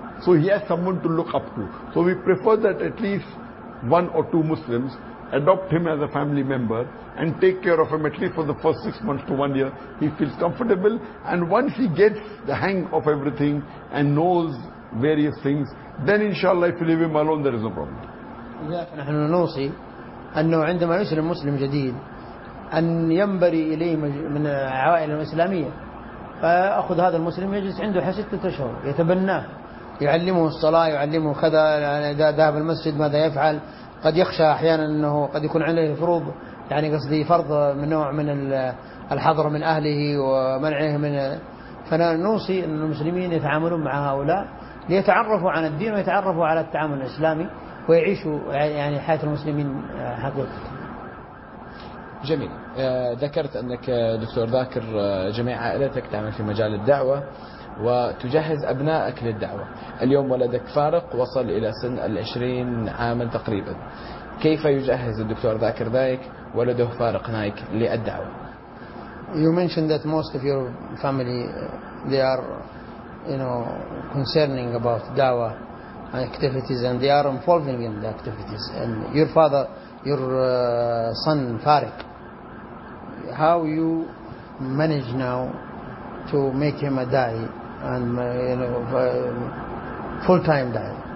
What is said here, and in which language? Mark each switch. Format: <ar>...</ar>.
<en>So he has someone to look up to. So we prefer that at least one or two Muslims adopt him as a family member and take care of him at least for the first 6 months to 1 year. He feels comfortable, and once he gets the hang of everything and knows various things, then inshallah, if you leave him alone, there is no problem.</en> <ar>نحن نوصي أنه عندما يسلم مسلم جديد أن ينبري إليه من عوائل الإسلامية، فأخذ هذا المسلم يجلس عنده حتى 6 أشهر يتبناه، يعلمه الصلاة، يعلمه كذا، إذا ذهب المسجد ماذا يفعل، قد يخشى أحيانا أنه قد يكون عليه فروض، يعني قصدي فرض من نوع من الحظر من أهله ومنعه من، فنوصي أن المسلمين يتعاملون مع هؤلاء ليتعرفوا عن الدين ويتعرفوا على التعامل الإسلامي ويعيشوا يعني حياة المسلمين حقيقة. جميل. ذكرت أنك دكتور ذاكر جميع عائلتك تعمل في مجال الدعوة وتجهز أبنائك للدعوة، اليوم ولدك فارق وصل إلى سن 20 عاما تقريبا، كيف يجهز الدكتور ذاكر ذايك ولده فارق نايك للدعوة؟</ar> <en>You mentioned that most of your family they are you know concerning about دعوة activities and they are involving in the activities. And your father, your son Farid, how you manage now to make him a da'i and you know full time da'i?</en>